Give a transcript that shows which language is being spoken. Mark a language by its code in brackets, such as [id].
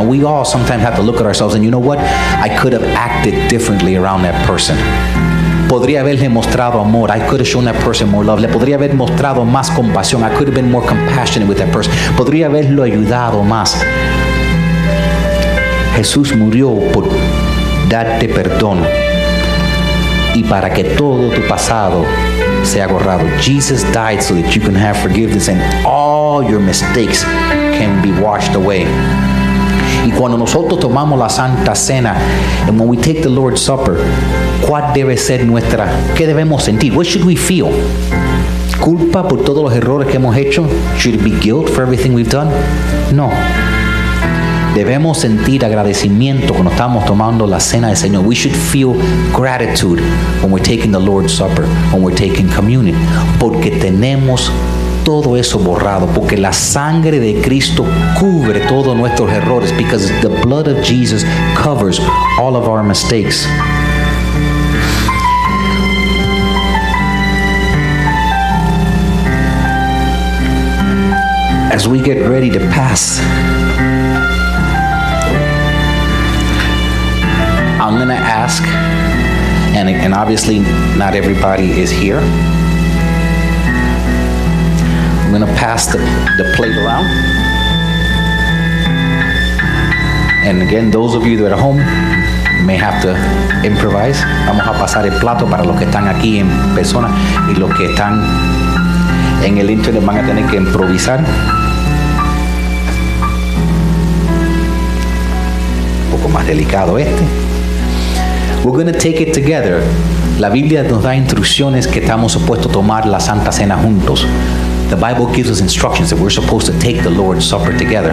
[en] We all sometimes have to look at ourselves and, you know what? I could have acted differently around that person. [es] Podría haberle mostrado amor. [en] I could have shown that person more love. [es] Le podría haber mostrado más compasión. [en] I could have been more compassionate with that person. [es] Podría haberlo ayudado más. Jesús murió por darte perdón y para que todo tu pasado sea borrado. [en] Jesus died so that you can have forgiveness and all your mistakes can be washed away. [es] Y cuando nosotros tomamos la Santa Cena, [en] and when we take the Lord's Supper, [es] ¿cuál debe ser nuestra? ¿Qué debemos sentir? [en] What should we feel? [es] ¿Culpa por todos los errores que hemos hecho? [en] Should it be guilt for everything we've done? [es] No. Debemos sentir agradecimiento cuando estamos tomando la cena del Señor. [en] We should feel gratitude when we're taking the Lord's Supper, when we're taking communion. [es] Porque tenemos todo eso borrado. Porque la sangre de Cristo cubre todos nuestros errores. [en] Because the blood of Jesus covers all of our mistakes. As we get ready to pass, I'm going to ask, and obviously not everybody is here. I'm going to pass the plate around. And again, those of you that are home may have to improvise. [es] Vamos a pasar el plato para los que están aquí en persona, y los que están en el internet van a tener que improvisar. más delicado este. [en] We're going to take it together. [es] La Biblia nos da instrucciones que estamos supuestos a tomar la Santa Cena juntos. [en] The Bible gives us instructions that we're supposed to take the Lord's Supper together.